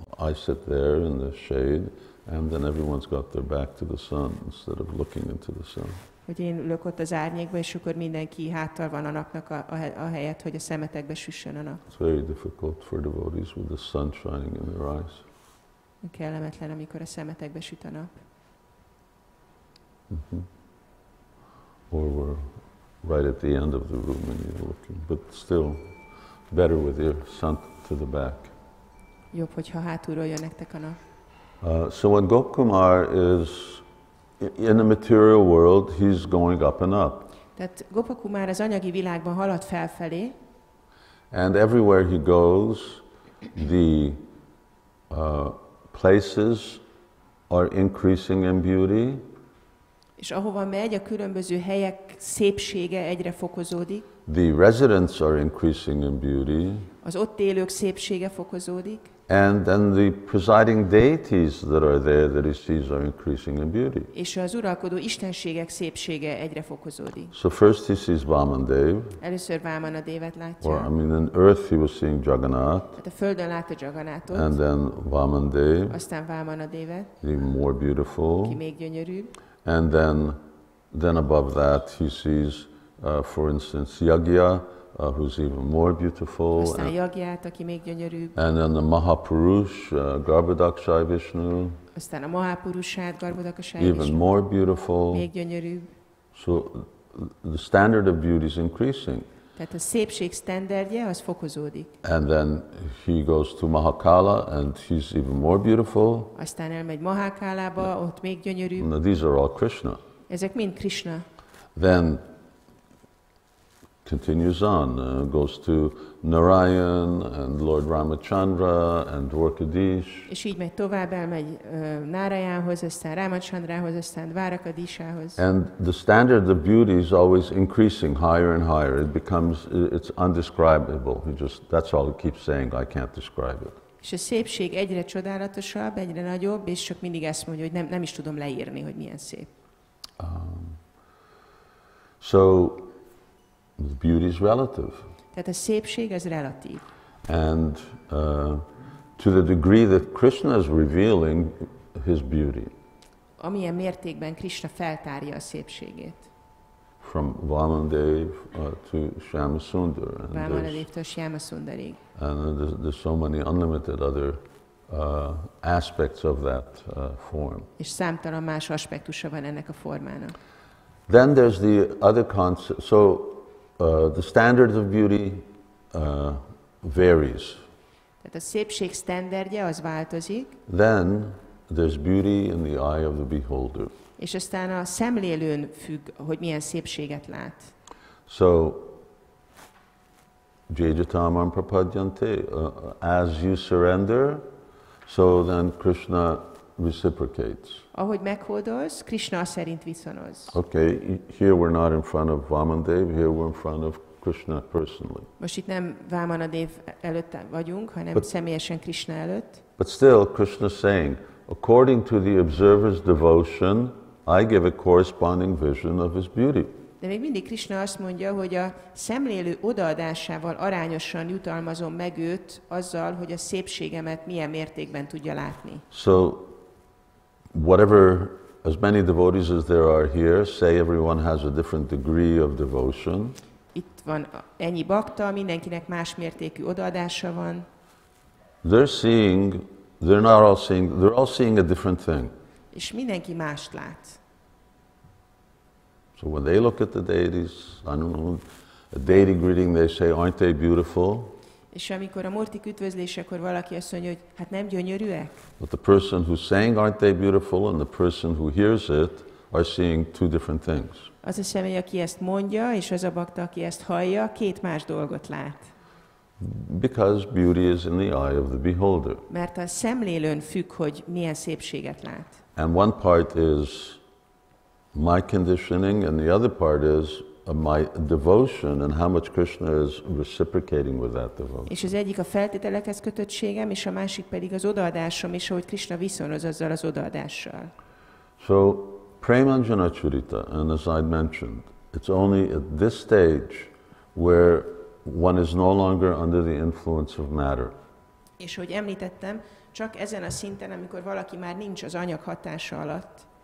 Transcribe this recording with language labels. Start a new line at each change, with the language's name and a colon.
English: I sit there in the shade, and then everyone's got their back to the sun instead of looking into the sun.
Hungarian: Hogy én ülök ott az árnyékba, és akkor mindenki háttal van a napnak a helyet, hogy a szemetekbe süssön a nap.
English: It's very difficult for devotees with the sun shining in their eyes.
Hungarian: Kellemetlen, amikor a szemetekbe süt a nap. Mm-hmm.
English: Or we're right at the end of the room and you're looking. But still, better with your sun to the back.
Hungarian: Jobb, hogyha hátulról jön nektek a nap.
English: So when Gopkumar is in the material world, he's going up and up.
Hungarian: Tehát Gopakumar az anyagi világban halad felfelé.
English: And everywhere he goes, the places are increasing in beauty.
Hungarian: És ahova megy, a különböző helyek szépsége egyre fokozódik.
English: The residents are increasing in beauty.
Hungarian: Az ott élők szépsége fokozódik.
English: And then the presiding deities that are there that he sees are increasing in beauty.
Hungarian: És az uralkodó istenségek szépsége egyre fokozódik.
English: So first he sees Vamandev.
Hungarian: Először Vamanadevet látja.
English: Or I mean, on earth he was seeing Jagannath.
Hungarian: Hát a földön látta Jagannathot.
English: And then Vamandev.
Hungarian: Aztán Vamanadevet.
English: The more beautiful.
Hungarian: Ki még gyönyörűbb.
English: And then above that he sees, for instance, Yagya. Who's even more beautiful,
Hungarian: Yagyát, aki még gyönyörűbb.
English: And then the Mahapurush, Garbhodakshaya Vishnu,
Hungarian: aztán a Mahapurushát, Garbhodakshaya
English: even Vishnu. More beautiful,
Hungarian: még gyönyörűbb.
English: So the standard of beauty is increasing.
Hungarian: Tehát a szépség standardje az fokozódik.
English: And then he goes to Mahakala and he's even more beautiful.
Hungarian: Aztán elmegy Mahakalába, ott még gyönyörűbb.
English: Now these are all Krishna.
Hungarian: Ezek mind Krishna.
English: Then continues on, goes to Narayan and Lord Ramachandra and Dvarakadish.
Hungarian: És így megy tovább, elmegy Narayanhoz, aztán Ramachandrahoz, aztán Dvarakadishához.
English: And the standard of beauty is always increasing higher and higher. It becomes, it's undescribable. He just, that's all he keeps saying, I can't describe it.
Hungarian: És a szépség egyre csodálatosabb, egyre nagyobb, és csak mindig ezt mondja, hogy nem is tudom leírni, hogy milyen szép.
English: So the beauty is relative.
Hungarian: Tehát a szépség az relatív.
English: And to the degree that Krishna is revealing his beauty.
Hungarian: Amilyen mértékben Krishna feltárja a szépségét.
English: From Vamandev to Shyamasundar.
Hungarian: Vamanadevtől Shyamasundarig.
English: And there's so many unlimited other aspects of that form.
Hungarian: És számtalan más aspektusa van ennek a formának.
English: Then there's the other concept. So the standard of beauty varies.
Hungarian: Tehát a szépség standardje az változik.
English: Then there's beauty in the eye of the beholder.
Hungarian: És aztán a szemlélőn függ, hogy milyen szépséget lát.
English: So
Sanskrit: jajatamam prapadyante,
English: as you surrender, so then Krishna reciprocates.
Hungarian: Ahogy meghódolsz, Krishna szerint viszonoz.
English: Okay, here we're not in front of Vamandev, here we're in front of Krishna personally.
Hungarian: Most itt nem Vamanadev előtt vagyunk, hanem but, személyesen Krishna előtt.
English: But still, Krishna saying, according to the observer's devotion, I give a corresponding vision of his beauty.
Hungarian: De még mindig Krishna azt mondja, hogy a szemlélő odaadásával arányosan jutalmazom meg őt azzal, hogy a szépségemet milyen mértékben tudja látni.
English: So, whatever, as many devotees as there are here, say everyone has a different degree of devotion.
Hungarian: Itt van ennyi bakta, mindenkinek más mértékű odaadása van.
English: They're all seeing a different thing.
Hungarian: És mindenki mást lát.
English: So when they look at the deities, I don't know, a deity greeting, they say, aren't they beautiful?
Hungarian: És amikor a murtik ütvözlésekor valaki azt mondja, hogy hát nem gyönyörűek?
English: But the person who's saying, aren't they beautiful, and the person who hears it, are seeing two different things.
Hungarian: Az a személy, aki ezt mondja, és az a bakta, aki ezt hallja, két más dolgot lát.
English: Because beauty is in the eye of the beholder.
Hungarian: Mert a szemlélőn függ, hogy milyen szépséget lát.
English: And one part is my conditioning, and the other part is my devotion, and how much Krishna is reciprocating with that devotion.
Hungarian: És az egyik a feltételekhez kötöttségem, és a másik pedig az odaadásom, és ahogy Krishna viszonoz azzal az odaadással.
English: So, Premanjana Charita, and as I mentioned, it's only at this stage where one is no longer under the influence of matter.
Hungarian: És ahogy említettem, csak ezen a szinten, amikor valaki már nincs az anyag hatása alatt.